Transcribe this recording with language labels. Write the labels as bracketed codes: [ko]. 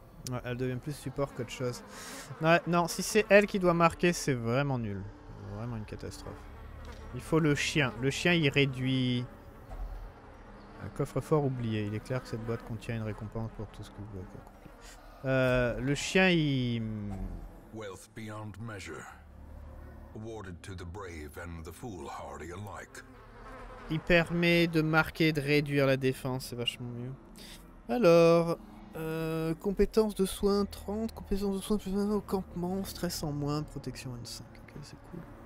[fr] Ouais, elle devient plus support qu'autre chose. Ouais, non, si c'est elle qui doit marquer, c'est vraiment nul. Vraiment une catastrophe. Il faut le chien. Le chien, il réduit... Un coffre-fort oublié. Il est clair que cette boîte contient une récompense pour tout ce que vous avez accompli. Le chien, il... [en] Wealth beyond measure. Awarded to the brave and the foolhardy alike. [fr] Il permet de marquer, de réduire la défense. C'est vachement mieux. Alors... compétences de soins 30, compétences de soins plus 20 au campement, stress en moins, protection 25. Ok, c'est cool.